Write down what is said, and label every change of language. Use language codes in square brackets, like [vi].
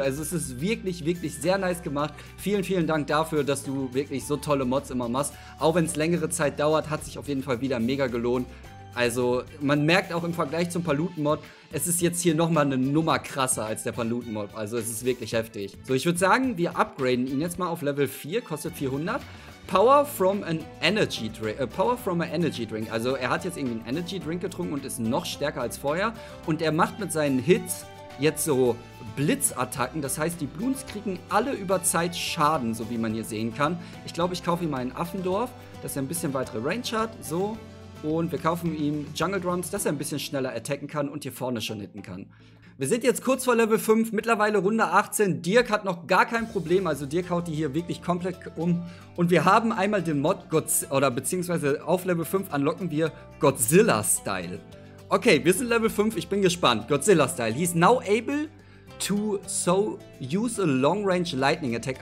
[de] Also es ist wirklich, wirklich sehr nice gemacht. Vielen, vielen Dank dafür, dass du wirklich so tolle Mods immer machst. Auch wenn es längere Zeit dauert, hat sich auf jeden Fall wieder mega gelohnt. Also man merkt auch im Vergleich zum Paluten-Mod, es ist jetzt hier nochmal eine Nummer krasser als der Paluten-Mob. Also es ist wirklich heftig. So, ich würde sagen, wir upgraden ihn jetzt mal auf Level 4. Kostet 400. [en] Power from an Energy Drink. Power from an Energy Drink. [de] Also er hat jetzt irgendwie einen Energy Drink getrunken und ist noch stärker als vorher. Und er macht mit seinen Hits jetzt so Blitzattacken. Das heißt, die Bloons kriegen alle über Zeit Schaden, so wie man hier sehen kann. Ich glaube, ich kaufe ihm mal ein Affendorf, dass er ein bisschen weitere Range hat. So. Und wir kaufen ihm Jungle Drums, dass er ein bisschen schneller attacken kann und hier vorne schon hitten kann. Wir sind jetzt kurz vor Level 5, mittlerweile Runde 18. Dirk hat noch gar kein Problem, also Dirk haut die hier wirklich komplett um. Und wir haben einmal den Mod, beziehungsweise auf Level 5 unlocken wir Godzilla-Style. Okay, wir sind Level 5, ich bin gespannt. Godzilla-Style. [en] He's now able to so use a long-range lightning attack.